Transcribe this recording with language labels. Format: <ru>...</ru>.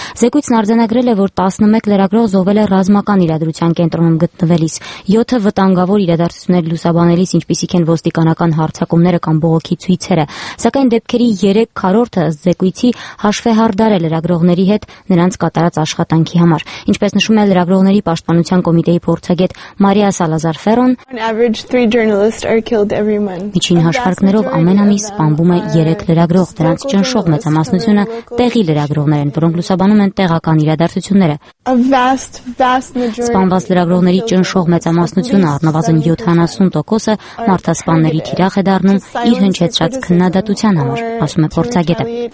<hy>Զեկույցն արձանագրել է, որ 11 լրագրող զոհվել է ռազմական իրադրության կենտրոնում գտնվելիս, 7-ը վտանգավոր իրադարձություններ լուսաբանելիս, ինչպիսիք են ոստիկանական հարձակումները կամ բողոքի ցույցերը, սակայն դեպքերի 3/4-ը ըստ զեկույցի հաշվեհարդար է լրագրողների հետ նրանց կատարած աշխատանքի համար։ Ինչպես նշում է լրագրողների պաշտպանության կոմիտեի փորձագետ Մարի</hy> <en>Maria Salazar Ferron. An average 3 journalists are killed every month.</en> <hy>Միջին հաշվարկներով ամեն ամիս սպանվում է 3 լրագրող, դրանց ճնշող մեծամասնությունը տեղի լրագրողներ են, որոնք լուսաբանում են տեղական իրադարձությունները. Սպանված լրագրողների ճնշող մեծամասնությունը, առնվազն 70%-ը, մարդասպանների թիրախ է դառնում իր հնչեցրած քննադատության համար, ասում է փորձագետը.</hy>